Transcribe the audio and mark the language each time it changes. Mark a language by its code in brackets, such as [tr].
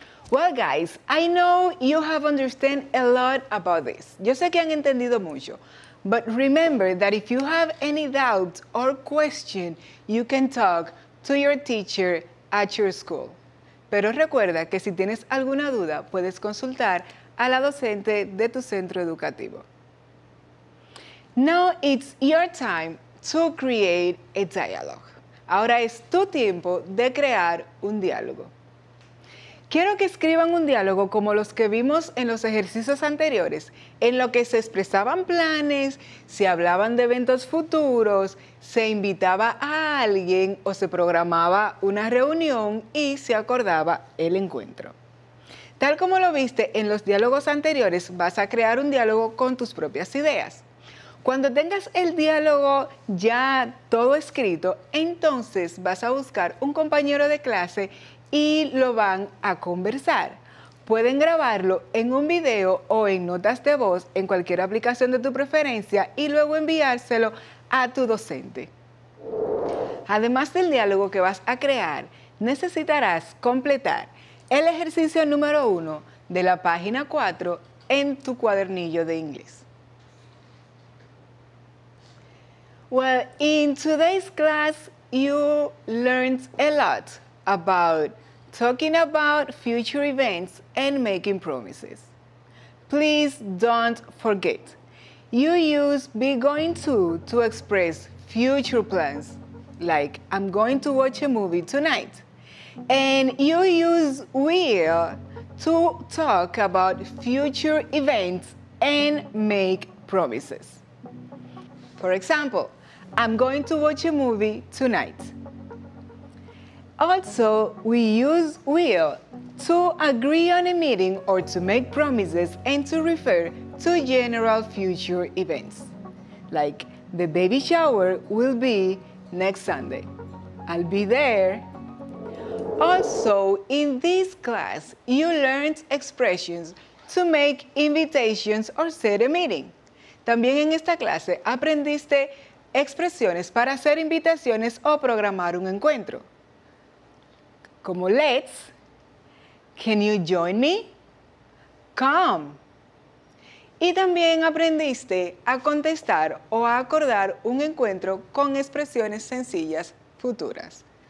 [en] Well, guys, I know you have understood a lot about this. [es] Yo sé que han entendido mucho. [en] But remember that if you have any doubt or question, you can talk to your teacher at your school. [es] Pero recuerda que si tienes alguna duda, puedes consultar a la docente de tu centro educativo. [en] Now it's your time to create a dialogue. [es] Ahora es tu tiempo de crear un diálogo. Quiero que escriban un diálogo como los que vimos en los ejercicios anteriores, en lo que se expresaban planes, se hablaban de eventos futuros, se invitaba a alguien o se programaba una reunión y se acordaba el encuentro. Tal como lo viste en los diálogos anteriores, vas a crear un diálogo con tus propias ideas. Cuando tengas el diálogo ya todo escrito, entonces vas a buscar un compañero de clase y lo van a conversar. Pueden grabarlo en un video o en notas de voz en cualquier aplicación de tu preferencia y luego enviárselo a tu docente. Además del diálogo que vas a crear, necesitarás completar el ejercicio número 1 de la página 4 en tu cuadernillo de inglés. [en] Well, in today's class, you learned a lot about talking about future events and making promises. Please don't forget, you use be going to express future plans, like I'm going to watch a movie tonight. And you use will to talk about future events and make promises. For example, I'm going to watch a movie tonight. Also, we use will to agree on a meeting or to make promises and to refer to general future events. Like, the baby shower will be next Sunday. I'll be there. Also, in this class, you learned expressions to make invitations or set a meeting. [es] También en esta clase aprendiste expresiones para hacer invitaciones o programar un encuentro. Como [en] let's, can you join me? Come. [es] Y también aprendiste a contestar o a acordar un encuentro con expresiones sencillas futuras.